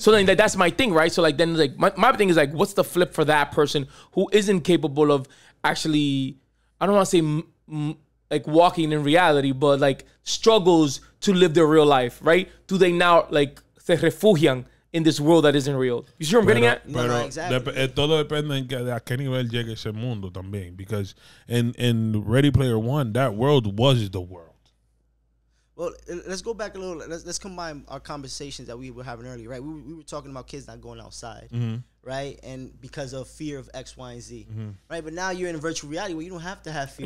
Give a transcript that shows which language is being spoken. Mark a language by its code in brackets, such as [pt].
[en] So then that's my thing, right? So like then like my thing is like, what's the flip for that person who isn't capable of actually, I don't want to say like walking in reality, but like struggles to live their real life, right? Do they now like [es] se refugian [en] in this world that isn't real? You see what I'm getting at? Pero, no, exactly. [es] Todo depende de a qué nivel llegue ese mundo también. [en] Because in Ready Player One, that world was the world. Well, let's go back a little. Let's combine our conversations that we were having earlier, right? We were talking about kids not going outside, mm-hmm. right? And because of fear of X, Y, and Z, mm-hmm. right? But now you're in a virtual reality where you don't have to have fear.